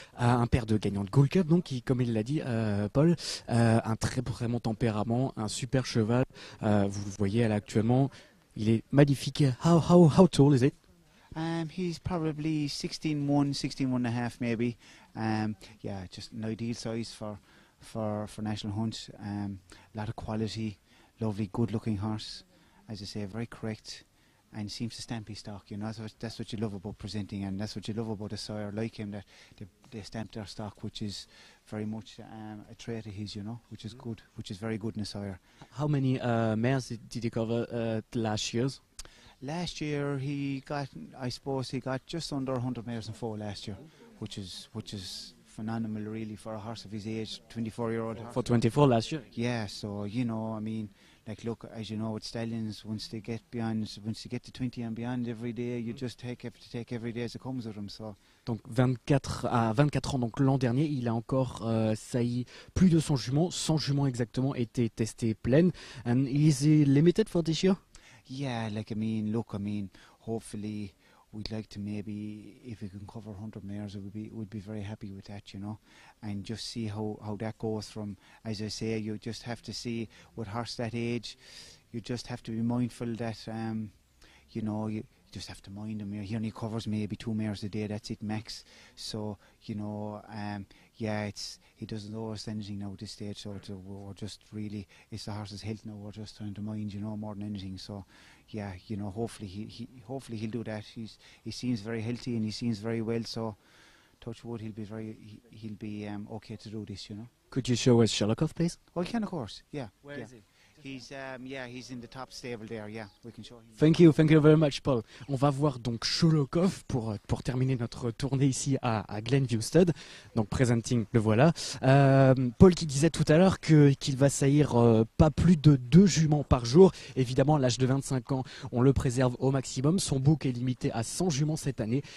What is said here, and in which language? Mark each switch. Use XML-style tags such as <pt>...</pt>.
<fr>Un père de gagnant de Gold Cup, donc, qui, comme il l'a dit, Paul, un très vraiment tempérament, un super cheval. Vous le voyez, elle, actuellement, il est magnifique.</fr> <en>How tall is it? He's probably 16-1, 16-1 and a half maybe. Just an ideal size for National Hunt. Lot of quality, lovely, good-looking horse. As I say, very correct, and seems to stamp his stock. You know, that's what you love about Presenting, and that's what you love about a sire like him, that they stamp their stock, which is very much a trait of his, you know, which is good, which is very good in a sire. How many mares did he cover last year? Last year he got, I suppose he got just under 100 mares in foal last year, which is phenomenal really for a horse of his age, 24-year-old. For 24 last year? Yeah, so, you know, I mean, like, look, as you know, with stallions, once they get to 20 and beyond every day, you just have to take every day as it comes with them, so.</en> <fr>Donc 24 ans, donc l'an dernier, il a encore sailli plus de 100 juments, 100 juments exactement étaient testées pleines.</fr> <en>And is it limited for this year? Yeah, like, I mean, look, I mean, hopefully we'd like to maybe, if we can cover 100 mares, we'd be very happy with that, you know, and just see how that goes from, as I say, you just have to see with horse that age, you just have to be mindful that, you know, you just have to mind him. He only covers maybe 2 mares a day, that's it, max. So, you know, he doesn't owe us anything now at this stage, so we're just really, it's the horse's health now, we're just trying to mind, you know, more than anything. So, yeah, you know, hopefully he'll do that. He seems very healthy and he seems very well, so touch wood, he'll be okay to do this, you know. Could you show us Shulokov, please? Well, you can, of course, yeah. Where yeah. is he? He's in the top stable there, yeah, we can show him. Thank you very much, Paul.</en> <fr>On va voir donc Shulokov pour terminer notre tournée ici à Glenviewstud. Donc Presenting, le voilà. Paul qui disait tout à l'heure qu'il va saillir pas plus de 2 juments par jour. Évidemment, à l'âge de 25 ans, on le préserve au maximum. Son bouc est limité à 100 juments cette année.</fr>